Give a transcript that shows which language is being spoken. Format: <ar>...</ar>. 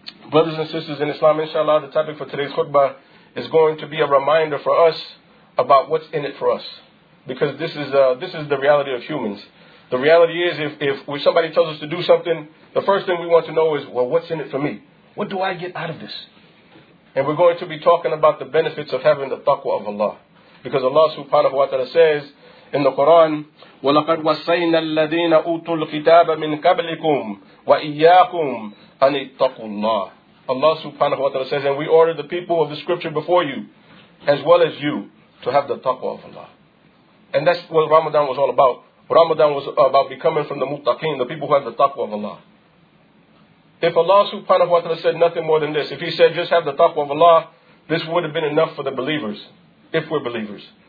<en>Brothers and sisters in Islam, inshallah, the topic for today's khutbah is going to be a reminder for us about what's in it for us. Because this is the reality of humans. The reality is if somebody tells us to do something, the first thing we want to know is, well, what's in it for me? What do I get out of this? And we're going to be talking about the benefits of having the taqwa of Allah. Because Allah subhanahu wa ta'ala says</en> <ar>in the Quran, وَلَقَدْ وَسَيْنَا الَّذِينَ أُوتُوا الْكِتَابَ مِنْ قَبْلِكُمْ وَإِيَّاكُمْ أَنِ اتَّقُوا اللَّهِ.</ar> <en>Allah subhanahu wa ta'ala says, and we order the people of the scripture before you, as well as you, to have the taqwa of Allah. And that's what Ramadan was all about. Ramadan was about becoming from the muttaqin, the people who have the taqwa of Allah. If Allah subhanahu wa ta'ala said nothing more than this, if He said just have the taqwa of Allah, this would have been enough for the believers, if we're believers.</en>